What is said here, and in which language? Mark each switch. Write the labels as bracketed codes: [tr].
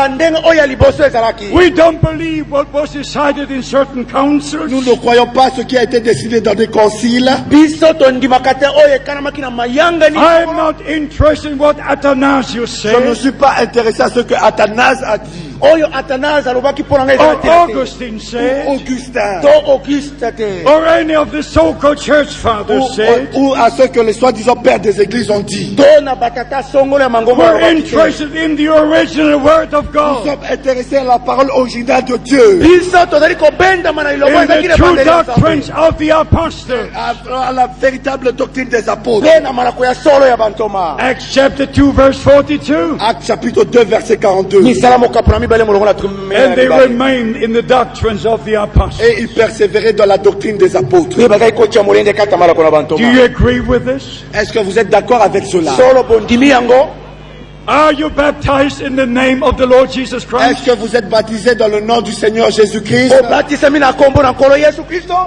[en] We don't believe what was decided in certain councils. [fr] Nous ne croyons pas ce qui a été décidé dans des conciles. [en] I'm not interested in what Athanasius said. Je ne suis pas intéressé à ce que Athanase a dit. Or Augustine said. Or Augustine. Or any of the so-called church fathers said. [fr] Ou à ce que les soi-disant pères des églises ont dit. [en] We're interested in the original word of God. [fr] Nous sommes intéressés à la parole originale de Dieu. [en] In the true doctrines of the apostles. [fr] À la véritable doctrine des apôtres. [en] Acts chapter 2 verse 42. [fr] Acte chapitre 2 verset 42. [en] And they remained in the doctrines of the apostles. [fr] Et ils persévéraient dans la doctrine des apôtres. [en] Do you agree with this? [fr] Est-ce que vous êtes d'accord avec cela? [ln] Solo bondimi yango. [en] Are you baptized in the name of the Lord Jesus Christ? [fr] Est-ce que vous êtes baptisé dans le nom du Seigneur Jésus Christ? Oh, baptisez-moi dans le nom de Jésus Christ.